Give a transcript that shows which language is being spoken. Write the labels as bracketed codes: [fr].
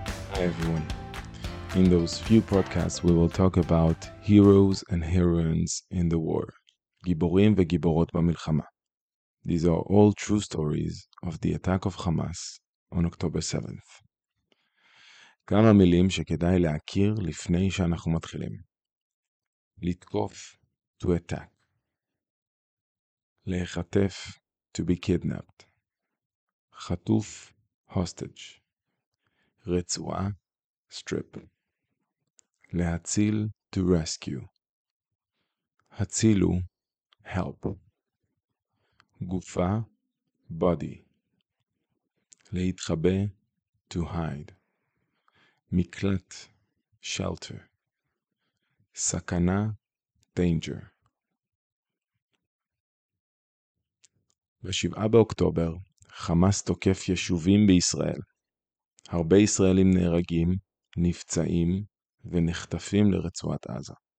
[en] Hi, everyone. In those few podcasts, we will talk about heroes and heroines in the war. [he] Giborim vegiborot bamilchama. [en] These are all true stories of the attack of Hamas on October 7th. [he] כמה מילים שכדאי להכיר לפני שאנחנו מתחילים. לתקוף, [en] to attack. [he] להיחטף, [en] to be kidnapped. [he] חטוף, [en] hostage. [he] רצועה, [en] strip. [he] להציל, [en] to rescue. [he] הצילו, [en] help. [he] גופה, [en] body. [he] להתחבא, [en] to hide. [he] מקלט, [en] shelter. [he] סכנה, [en] danger. [he] ב-7 באוקטובר, חמאס תוקף יישובים בישראל. הרבה ישראלים נהרגים, נפצעים ונחטפים לרצועת עזה.